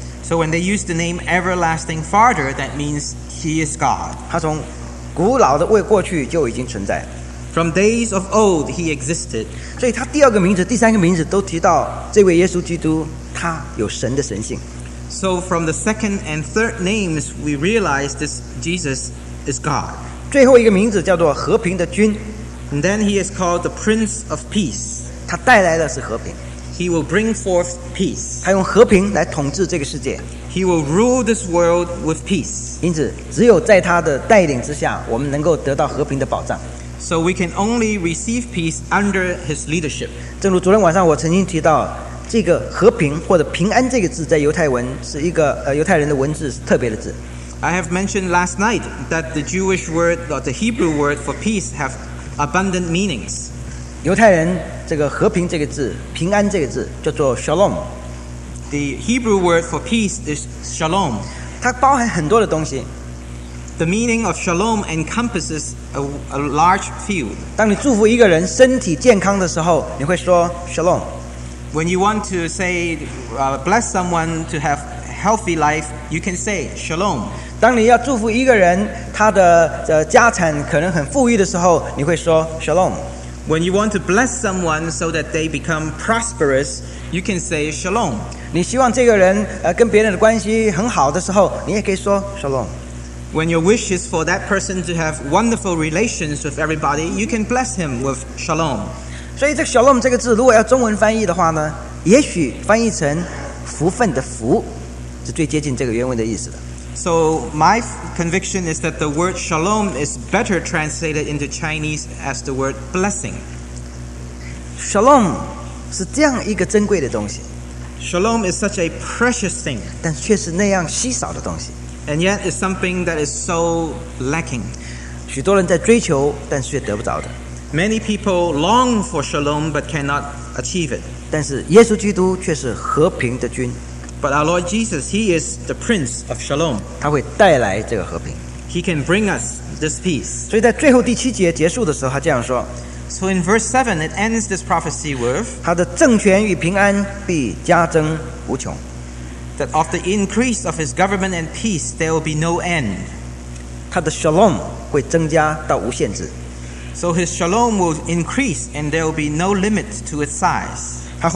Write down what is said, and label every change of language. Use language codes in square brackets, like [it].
[en] So when they use the name everlasting father, that means he is God. [zh] 他从古老的为过去就已经存在了。 [en] From days of old, he existed. [zh] 所以他第二个名字、第三个名字都提到这位耶稣基督，他有神的神性。 [en] So from the second and third names, we realize this Jesus is God. [zh] 最后一个名字叫做和平的君。 [en] And then he is called the Prince of Peace. [zh] 他带来的是和平。 [en] He will bring forth peace. [zh] 他用和平来统治这个世界。 [en] He will rule this world with peace. [zh] 因此只有在他的带领之下, 我们能够得到和平的保障。 [en] So we can only receive peace under his leadership. [zh] 正如昨天晚上我曾经提到, 这个和平或者平安这个字在犹太人的文字是特别的字。 [en] I have mentioned last night that the Jewish word or the Hebrew word for peace have abundant meanings. [zh] 犹太人这个和平这个字,平安这个字叫做 shalom. [en] The Hebrew word for peace is shalom. [zh] 它包含很多的东西。 [en] The meaning of shalom encompasses a large field. [zh] 当你祝福一个人身体健康的时候, 你会说 shalom。 [en] When you want to say bless someone to have healthy life, you can say shalom. [zh] 当你要祝福一个人他的家产可能很富裕的时候, 你会说 shalom. [en] When you want to bless someone so that they become prosperous, you can say shalom. [zh] 你希望这个人跟别人的关系很好的时候, 你也可以说 shalom. [en] When your wish is for that person to have wonderful relations with everybody, you can bless him with shalom. [zh] 所以这个 shalom 这个字，如果要中文翻译的话呢， 也许翻译成福分的福，是最接近这个原文的意思的。 [en] So my conviction is that the word shalom is better translated into Chinese as the word blessing. [zh] Shalom 是这样一个珍贵的东西。 [en] Shalom is such a precious thing. [zh] 但却是那样稀少的东西。 [en] And yet it's something that is so lacking. [zh] 许多人在追求，但却得不着的。 [en] Many people long for shalom but cannot achieve it. [zh] 但是耶稣基督却是和平的君。 [en] But our Lord Jesus, he is the Prince of Shalom. [zh] 他会带来这个和平。 [en] He can bring us this peace. [zh] 所以在最后第七节结束的时候，他这样说。 [en] So in verse 7, it ends this prophecy with [zh] 他的政权与平安必加增无穷。 [en] That of the increase of his government and peace, there will be no end. [zh] 他的shalom会增加到无限制。 [en] So his shalom will increase and there will be no limit to its size.